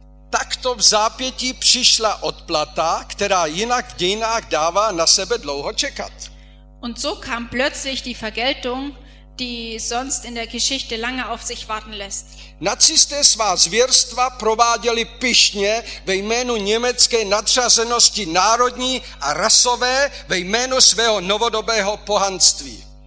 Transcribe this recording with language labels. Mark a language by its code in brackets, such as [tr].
[cs] Takto v zápětí přišla odplata, která jinak v dějinách dává na sebe dlouho čekat. [de] Und so kam plötzlich die Vergeltung, die sonst in der Geschichte lange auf sich warten lässt. [cs] Nacisté svá zvěrstva prováděli pyšně ve jménu německé nadřazenosti národní a rasové ve jménu svého novodobého pohanství.